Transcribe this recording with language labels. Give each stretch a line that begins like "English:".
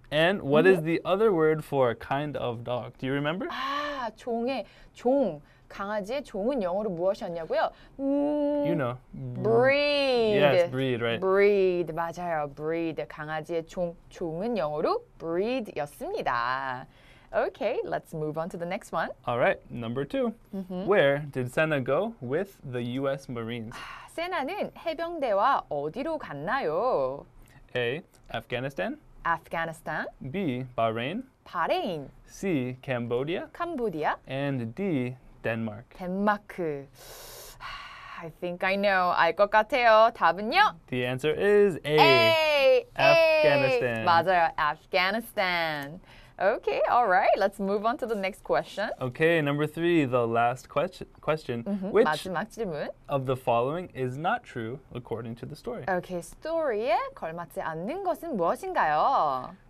English: And what is the other word for kind of dog? Do you remember?
Korean: 아, 종의 종. 강아지의 종은 영어로 무엇이었냐고요?
English: You know. Breed. Yes, breed, right.
Korean: Breed, 맞아요. Breed. 강아지의 종, 종은 영어로 breed였습니다.
English: Okay, let's move on to the next one. All right, number two. Mm-hmm. Where did Senna go with the U.S. Marines?
Korean: 아, 세나는 해병대와 어디로 갔나요?
English: A. Afghanistan. Afghanistan. B. Bahrain. Bahrain. C. Cambodia. Cambodia. And D. Denmark. Denmark. I think I know.
Korean: 알 것 같아요. 답은요?
English: The answer is A. A. Afghanistan. A.
Korean: 맞아요.
English: Afghanistan. Okay, all right. Let's move on to the next question. Okay, number three, the last question. Mm-hmm. Which
Korean: 마지막 질문.
English: Of the following is not true according to the story?
Korean: Okay, 스토리에 걸맞지 않는 것은 무엇인가요?